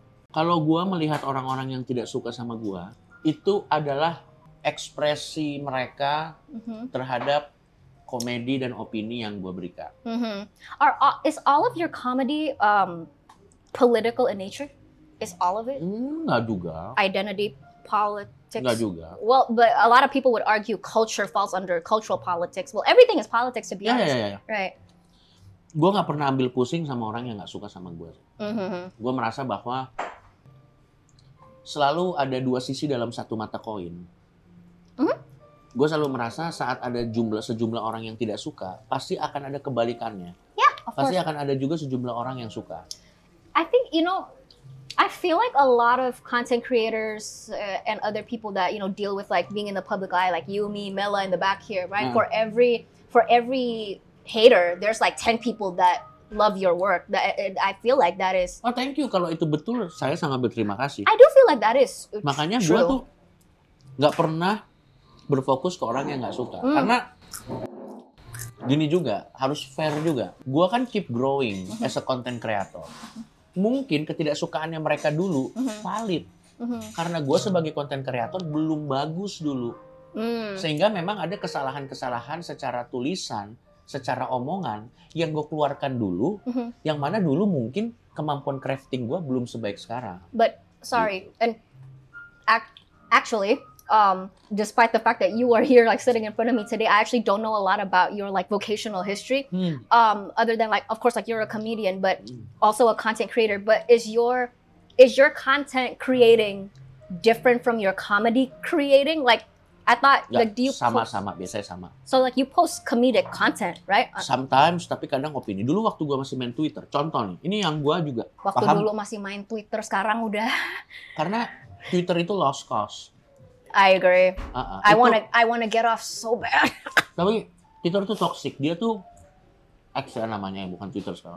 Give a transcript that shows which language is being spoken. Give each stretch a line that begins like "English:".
Indonesian: Kalau gue melihat orang-orang yang tidak suka sama gue, itu adalah ekspresi mereka terhadap komedi dan opini yang gue berikan.
English: Is all of your comedy political in nature? Is all of it?
Indonesian: Nggak juga.
English: Identity politics?
Indonesian: Nggak juga.
English: Well, but a lot of people would argue culture falls under cultural politics. Well, everything is politics to be honest. Right.
Indonesian: Gue gak pernah ambil pusing sama orang yang gak suka sama gue. Gue merasa bahwa selalu ada dua sisi dalam satu mata koin. Gue selalu merasa saat ada sejumlah orang yang tidak suka, pasti akan ada kebalikannya. Pasti akan ada juga sejumlah orang yang suka.
English: I think, you know, I feel like a lot of content creators and other people that, you know, deal with like being in the public eye, like you, me, Mela in the back here, right? For every hater, there's like 10 people that love your work. That I feel like that is. Oh, thank you.
Indonesian: Kalau itu betul, saya sangat berterima kasih.
English: I do feel like that is.
Indonesian: Makanya gue tuh nggak pernah berfokus ke orang yang nggak suka. Karena gini juga, harus fair juga. Gue kan
English: keep growing as a content creator.
Indonesian: Mungkin ketidaksukaannya mereka dulu valid, karena gue sebagai content creator belum bagus dulu, sehingga memang ada kesalahan-kesalahan secara tulisan, secara omongan yang gue keluarkan dulu, yang mana dulu mungkin kemampuan crafting gue belum sebaik sekarang.
English: But sorry, and actually, despite the fact that you are here like sitting in front of me today, I actually don't know a lot about your like vocational history. Other than like, of course, like you're a comedian, but also a content creator. But is your content creating different from your comedy creating, like? I thought, yeah, like, do you
Indonesian: sama, biasanya sama.
English: So like you post comedic content, right?
Indonesian: Sometimes, tapi kadang opini. Dulu waktu gue masih main Twitter, contoh nih, ini yang gue juga waktu paham. Dulu masih main Twitter, sekarang udah. Karena Twitter itu
English: lost cause. I agree. I wanna get off so bad.
Indonesian: Tapi Twitter tuh toxic. Dia tuh X ya namanya, bukan Twitter sekarang.